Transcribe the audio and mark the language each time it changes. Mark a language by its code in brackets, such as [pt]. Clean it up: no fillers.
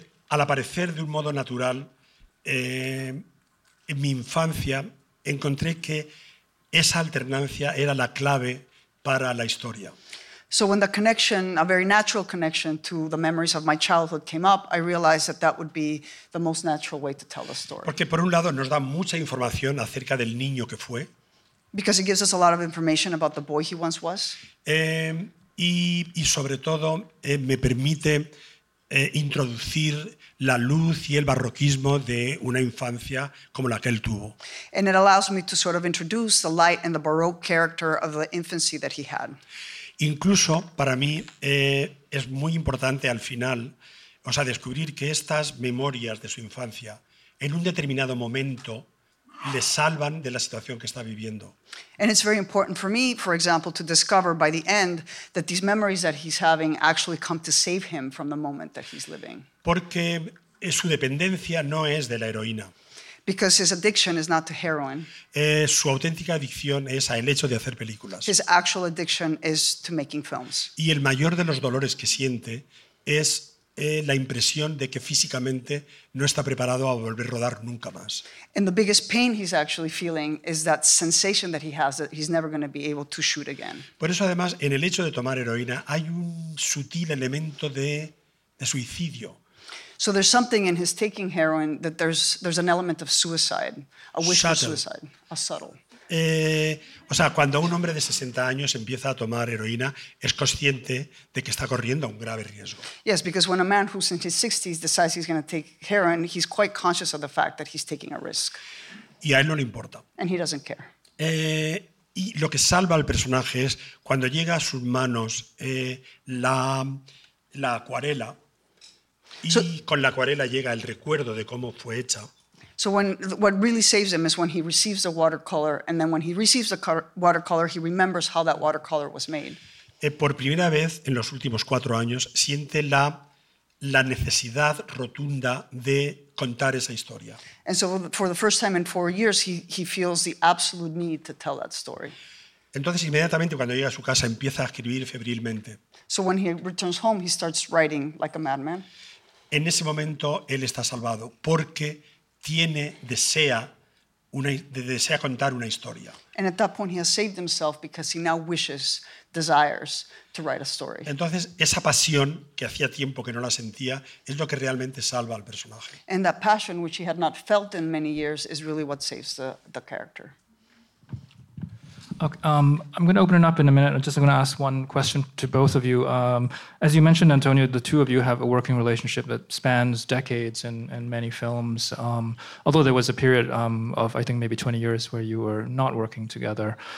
[es] Al aparecer de un modo natural, en mi infancia encontré que esa alternancia era la clave para la historia. [en] So when the connection, a very natural connection to the memories of my childhood came up, I realized that that would be the most natural way to tell the story. [es] Porque por un lado nos da mucha información acerca del niño que fue. [en] Because it gives us a lot of information about the boy he once was. [es] Y sobre todo me permite introducir la luz y el barroquismo de una infancia como la que él tuvo. [en] And it allows me to sort of introduce the light and the baroque character of the infancy that he had. [es] Incluso para mí es muy importante al final, o sea, descubrir que estas memorias de su infancia en un determinado momento le salvan de la situación que está viviendo. [en] And it's very important for me, for example, to discover by the end that these memories that he's having actually come to save him from the moment that he's living. [es] Porque su dependencia no es de la heroína. [en] Because his addiction is not to heroin. [es] Su auténtica adicción es al hecho de hacer películas. [en] His actual addiction is to making films. [es] Y el mayor de los dolores que siente es la impresión de que físicamente no está preparado a volver a rodar nunca más. [en] And the biggest pain he's actually feeling is that sensation that he has that he's never going to be able to shoot again. [es] Por eso, además, en el hecho de tomar heroína hay un sutil elemento de suicidio. [en] So there's something in his taking heroin that there's an element of suicide, a wish for suicide, a subtle. [es] O sea, cuando un hombre de 60 años empieza a tomar heroína, es consciente de que está corriendo un grave riesgo. [en] Yes, because when a man who's in his 60s decides he's going to take heroin, he's quite conscious of the fact that he's taking a risk. [es] Y a él no le importa. [en] And he doesn't care. [es] Y lo que salva al personaje es cuando llega a sus manos la acuarela, y so, con la acuarela llega el recuerdo de cómo fue hecha. [en] So what really saves him is when he receives the watercolor, and then when he receives the watercolor, he remembers how that watercolor was made. [es] Por primera vez en los últimos 4 años siente la necesidad rotunda de contar esa historia. [en] And so for the first time in 4 years, he feels the absolute need to tell that story. [es] Entonces inmediatamente cuando llega a su casa empieza a escribir febrilmente. [en] So when he returns home, he starts writing like a madman. [es] En ese momento él está salvado porque desea contar una historia. [en] And at that point he has saved himself because he now desires to write a story. [es] Entonces esa pasión que hacía tiempo que no la sentía es lo que realmente salva al personaje. [en] And that passion which he had not felt in many years is really what saves the character. Okay, I'm going to open it up in a minute. I'm just going to ask one question to both of you. As you mentioned, Antonio, the two of you have a working relationship that spans decades and many films, although there was a period of, I think, maybe 20 years where you were not working together.